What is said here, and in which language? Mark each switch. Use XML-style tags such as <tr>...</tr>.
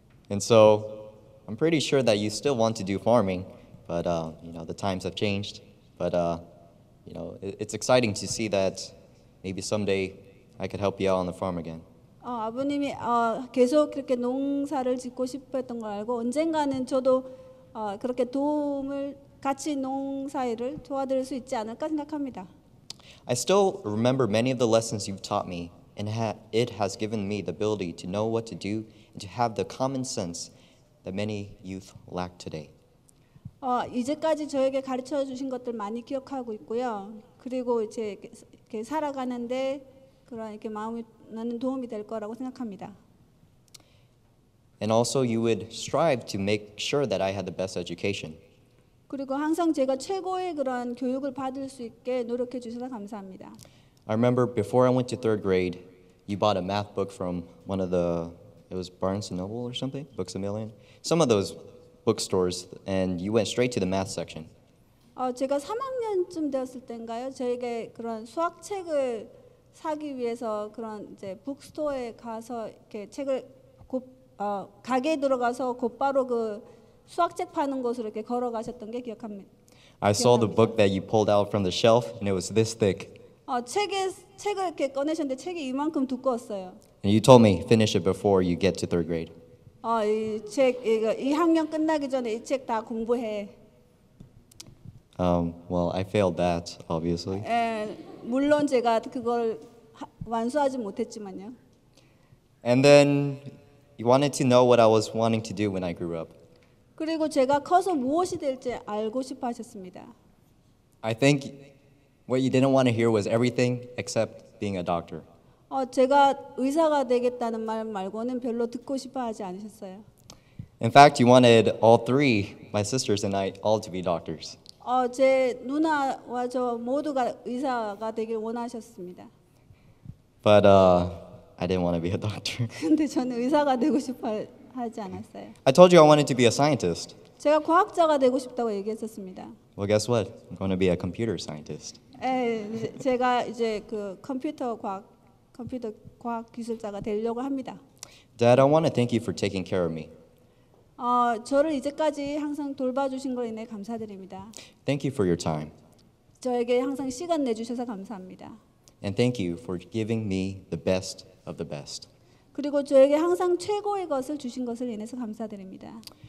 <en>And so I'm pretty sure that you still want to do farming, but you know, the times have changed. But you know, it's exciting to see that maybe someday I could help you out on the farm again.</en> <ko>아버님이 계속 그렇게 농사를 짓고 싶었던 걸 알고 언젠가는 저도 그렇게 도움을 같이 농사일을 도와드릴 수 있지 않을까 생각합니다.</ko> <en>I still remember many of the lessons you've taught me, and it has given me the ability to know what to do and to have the common sense that many youth lack today.</en> <ko>이제까지 저에게 가르쳐 주신 것들 많이 기억하고 있고요. 그리고 이제 이렇게 살아가는데 그런 이렇게 마음이 나는 도움이 될 거라고 생각합니다.</ko> <en>And also you would strive to make sure that I had the best education.</en> <ko>그리고 항상 제가 최고의 그런 교육을 받을 수 있게 노력해 주셔서 감사합니다.</ko> <en>I remember before I went to third grade, you bought a math book from one of the It was Barnes & Noble or something? Books a Million? Some of those bookstores, and you went straight to the math section.</en> <ko>제가 3학년쯤 되었을 때인가요? 저에게 그런 수학책을 사기 위해서 그런 이제 북스토어에 가서 이렇게 책을 가게에 들어가서 곧바로 그 수학책 파는 곳으로 이렇게 걸어가셨던 게 기억합니다.</ko> <en>I saw the book that you pulled out from the shelf and it was this thick.</en> <ko>책을 이렇게 꺼내셨는데 책이 이만큼 두꺼웠어요.</ko> <en>And you told me finish it before you get to third grade.</en> <ko>이 학년 끝나기 전에 이 책 다 공부해.</ko> <en>Well, I failed that, obviously.</en> <ko>물론 제가 그걸 완수하지 못했지만요.</ko> <en>And then you wanted to know what I was wanting to do when I grew up.</en> <ko>그리고 제가 커서 무엇이 될지 알고 싶어 하셨습니다.</ko> <en>I think what you didn't want to hear was everything except being a doctor.</en> <ko>제가 의사가 되겠다는 말 말고는 별로 듣고 싶어 하지 않으셨어요.</ko> <en>In fact, you wanted all three, my sisters and I, all to be doctors.</en> <ko>제 누나와 저 모두가 의사가 되길 원하셨습니다.</ko> <en>But I didn't want to be a doctor.</en> <ko>근데 저는 의사가 되고 싶어 하지 않았어요.</ko> <en>I told you I wanted to be a scientist.</en> <ko>제가 과학자가 되고 싶다고 얘기했었습니다.</ko> <en>Well, guess what? I'm going to be a computer scientist.</en> <ko>제가 이제 그 컴퓨터 과학 기술자가 되려고 합니다.</ko> <en>Dad, I want to thank you for taking care of me.</en> <ko>저를 이제까지 항상 돌봐주신 걸 인해 감사드립니다.</ko> <en>Thank you for your time.</en> <ko>저에게 항상 시간 내주셔서 감사합니다.</ko> <en>And thank you for giving me the best of the best.</en> <ko>그리고 저에게 항상 최고의 것을 주신 것을 인해서 감사드립니다.</ko>